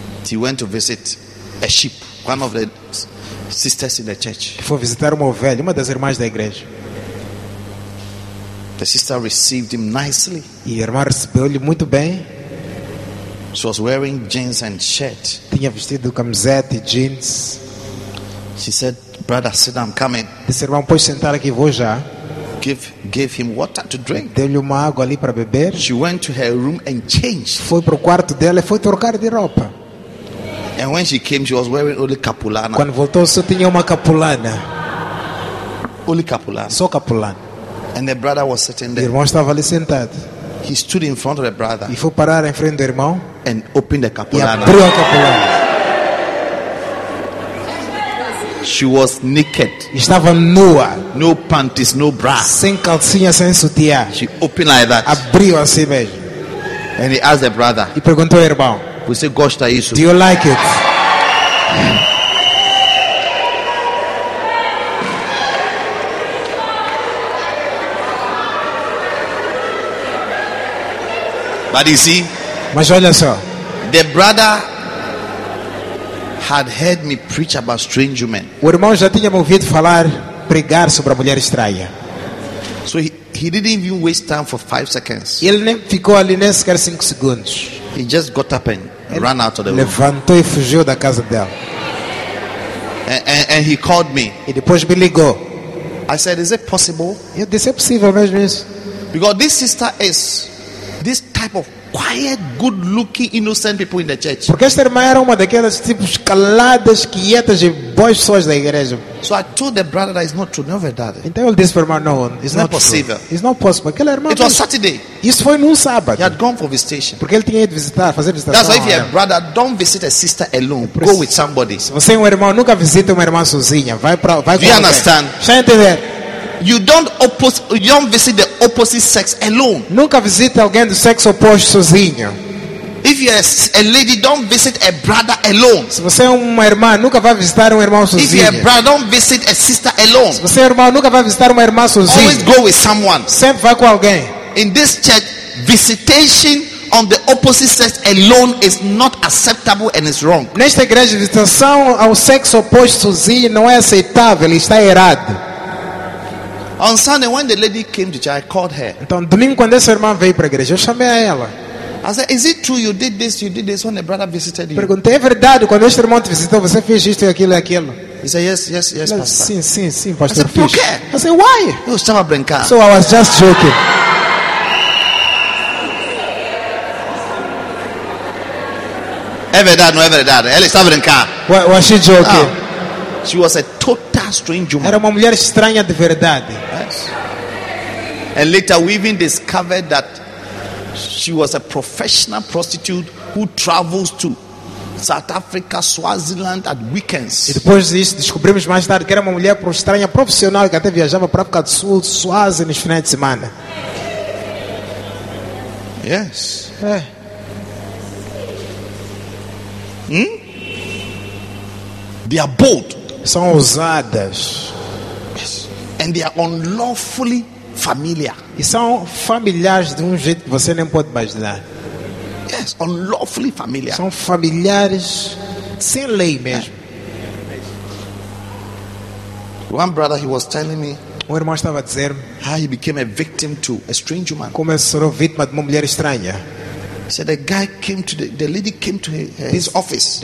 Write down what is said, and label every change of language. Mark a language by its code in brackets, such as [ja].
[en] He went to visit a sheep, one of the sisters in the church. [pt] Foi visitar uma ovelha, uma das irmãs da igreja. [en] The sister received him nicely. [pt] E a irmã recebeu-lhe muito bem. [en] She was wearing jeans and shirt. [pt] Tinha vestido camiseta e jeans. [en] She said, "Brother, sit down, I'm coming." [pt] Disse, irmão, pode sentar aqui, vou já. [en] Gave him water to drink. [pt] Deu-lhe uma água ali para beber. [en] She went to her room and changed. [pt] Foi para o quarto dela e foi trocar de roupa. [en] And when she came, she was wearing only capulana. [pt] Quando voltou, só tinha uma capulana. [en] Only capulana. [pt] Só capulana. [en] And the brother was sitting there. [pt] E o irmão estava ali sentado. [en] He stood in front of the brother. [pt] E foi parar em frente do irmão. [en] And opened the capulana. [pt] E abriu a capulana. [en] She was naked. [pt] Estava nua. [en] No panties, no bra. [pt] Sem calcinha, sem sutiã. [en] She opened like that. [pt] Abriu assim mesmo. [en] And he asked the brother. [pt] E perguntou ao irmão. [en] We say, [pt] gosta isso. [en] Do you like it? Yeah. But you see, [pt] mas olha só, [en] the brother had heard me preach about strange women. [pt] O irmão já tinha me ouvido falar, pregar sobre a mulher estranha. [en] So he didn't even waste time for 5 seconds. [pt] Ele nem ficou ali nem sequer 5 segundos. [en] He just got up and ele ran out of the [pt] levantou [en] room. [pt] E fugiu da casa dela. [en] And he called me. [pt] E depois me ligou. [en] I said, is it possible? [pt] Eu disse, é possível mesmo isso? [en] Because this sister is this type of quiet, good-looking, innocent people in the church. [pt] Porque esta irmã era uma daquelas tipos caladas, quietas e boas pessoas da igreja. [en] So I told the brother that it's not true, [pt] não é verdade. Então ele disse para o irmão, não, [en] it's not possible. True. It's not possible. [pt] Aquela irmã. [en] It was Saturday. [pt] Isso foi num sábado. [en] He had gone for visitation. [pt] Porque ele tinha ido visitar, fazer visitação. [en] That's why if you're a brother, don't visit a sister alone. Go with somebody. [pt] Se você é um irmão, nunca visite uma irmã sozinha. Vai para, vai com alguém. [en] You understand? [pt] Já entender. [en] You don't visit the opposite sex alone. [pt] Nunca visite alguém do sexo oposto sozinho. [en] If you're a lady, don't visit a brother alone. [pt] Se você é uma irmã, nunca vá visitar um irmão sozinho. [en] If you're a brother, don't visit a sister alone. [pt] Se você é irmão, nunca vá visitar uma irmã sozinho. [en] Always go with someone. [pt] Sempre vá com alguém. [en] In this church, visitation on the opposite sex alone is not acceptable and is wrong. [pt] Nesta igreja, visitação ao sexo oposto sozinho não é aceitável, está errado. [en] On Sunday, when the lady came to church, I called her. [pt] Então, domingo, quando essa irmã veio para a igreja, eu chamei a ela. [en] I said, is it true you did this? You did this when the brother visited you? [pt] Perguntei, é verdade, quando este irmão te visitou, você fez isto e aquilo e aquilo? [en] He said, yes, pastor. [pt] Sim, pastor. [en] I said, [pt] por quê? [en] I said, why? [pt] Eu estava brincando. [en] So I was just joking. [pt] É verdade, não é verdade? Ela estava brincando. [en] Was she joking? Oh. She was a total strange woman. [pt] Era uma mulher estranha de verdade. [en] Yes. And later we even discovered that she was a professional prostitute who travels to South Africa, Swaziland at weekends. [pt] E depois disso descobrimos mais tarde que era uma mulher estranha profissional que até viajava para a África do Sul, Swaziland, nos finais de semana. [en] Yes. [pt] É. Hmm? [en] They are bold. [pt] São ousadas. [en] Yes. And they are unlawfully familiar. [pt] E são familiares de um jeito que você nem pode imaginar. [en] Yes, unlawfully familiar. [pt] São familiares sem lei mesmo. [en] Yeah. One brother, he was telling me, [pt] um irmão estava a dizer [en] how he became a victim to a strange woman. [pt] Como ele se tornou vítima de uma mulher estranha. [en] He said the guy came to the lady came to his office.